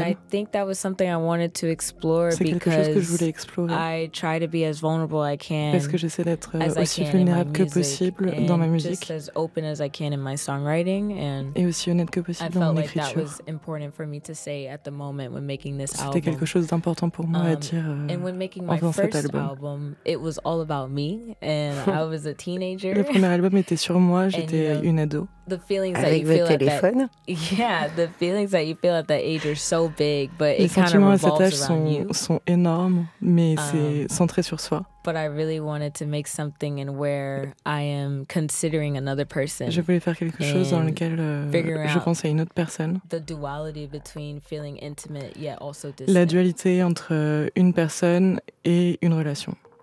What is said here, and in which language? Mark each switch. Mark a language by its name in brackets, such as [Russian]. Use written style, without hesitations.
[English] And I think that was something I wanted to explore [French] c'est [English] because [French] quelque chose que je voulais explorer. [English] I try to be as vulnerable I can. [French] Parce que j'essaie d'être aussi vulnérable que possible [English] and [French] dans ma musique. [English] Just as open as I can in my songwriting and. [French] Et aussi honnête que possible dans mon écriture. [English] I felt like that was important for me to say at the moment when making this album. [French] C'était quelque chose d'important pour moi à dire en faisant cet album. [English] It was all about me and I was a teenager. [French] Le premier album était sur moi, j'étais une ado. [English] The feelings avec that you feel téléphone. At that, yeah, the feelings that you feel at that age are so big, but [French] les [English] it kind of revolves around you. [French] Les sentiments à cet âge sont énormes, mais c'est centré sur soi. [English] But I really wanted to make something in where I am considering another person. [French] Je voulais faire quelque chose dans lequel je pense à une autre personne. [English] The duality between feeling intimate yet also distant. [French] La dualité entre une personne et une relation.